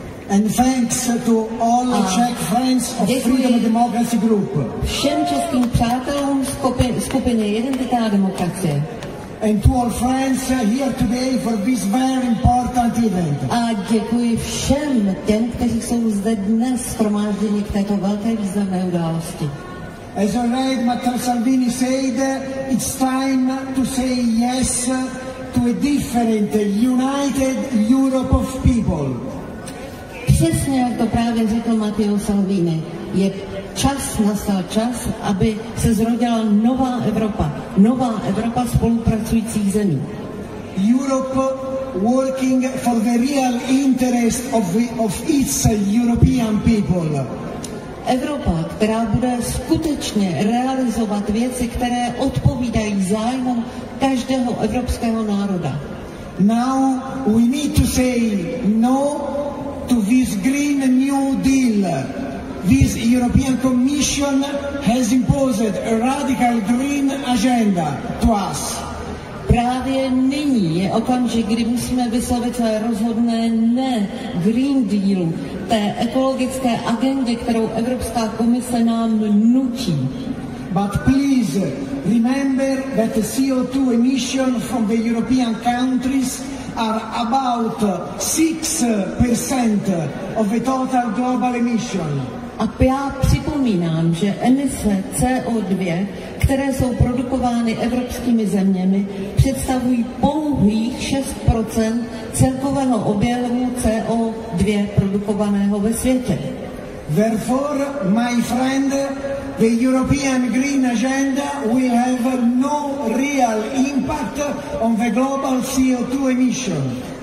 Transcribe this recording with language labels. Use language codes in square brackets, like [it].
[en] And thanks to all the Czech friends of Freedom and Democracy Group. [cs] Všem českým přátelům skupiny Identita a demokracie. [en] And to all friends here today for this very important event. [cs] A děkuji všem těm, kteří jsou zde dnes shromážděni k této velké významné události. [en] As already Matteo Salvini said, it's time to say yes to a different, united Europe of people. [cs] Přesně jak to právě řekl Matteo Salvini, je čas, nastal čas, aby se zrodila nová Evropa spolupracujících zemí. [en] Europe working for the real interest of its European people. [cs] Evropa, která bude skutečně realizovat věci, které odpovídají zájmům každého evropského národa. [en] Now we need to say no to this Green New Deal. This European Commission has imposed a radical green agenda to us. [cs] Právě nyní je okamžik, kdy musíme vyslovit své rozhodné ne Green Dealu, té ekologické agendě, kterou Evropská komise nám nutí. [en] But please remember that the CO2 emissions from the European countries are about 6% of the total global emission. [cs] A já připomínám, že emise CO2, které jsou produkovány evropskými zeměmi, představují pouhých 6% celkového objemu CO2 produkovaného ve světě. [en] Therefore, my friend, the European Green Agenda will have no real impact on the global CO2 emission.